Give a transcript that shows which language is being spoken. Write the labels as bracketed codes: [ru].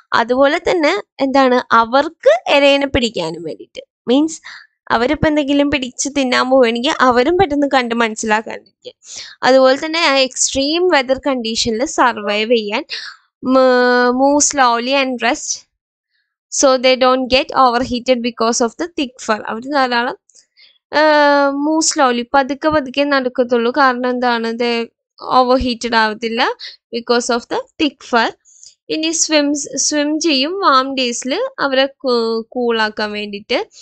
[ml] അതുപോലെ തന്നെ എന്താണ് അവർക്ക് ഇരയെ പിടിക്കാനും വേണ്ടിയിട്ട്, മീൻസ് അവരിപ്പോൾ എന്തെങ്കിലും പിടിച്ച് തിന്നാൻ പോവുകയാണെങ്കിൽ അവരും പെട്ടെന്ന് കണ്ട് മനസ്സിലാക്കാണ്ടിരിക്കുക. അതുപോലെ തന്നെ ആ എക്സ്ട്രീം വെതർ കണ്ടീഷനിൽ സർവൈവ് ചെയ്യാൻ [en] Move slowly and rest. So they don't get overheated because of the thick fur. [ml] അവര് ധാരാളം മൂവ് സ്ലോലി, പതുക്കെ പതുക്കെ നടക്കത്തുള്ളൂ. കാരണം എന്താണ്, ദ ഓവർ ഹീറ്റഡ് ആവത്തില്ല [en] Because of the thick fur. [ml] ഇനി സ്വിം ചെയ്യും വാം ഡേയ്സിൽ അവരെ കൂളാക്കാൻ വേണ്ടിയിട്ട്.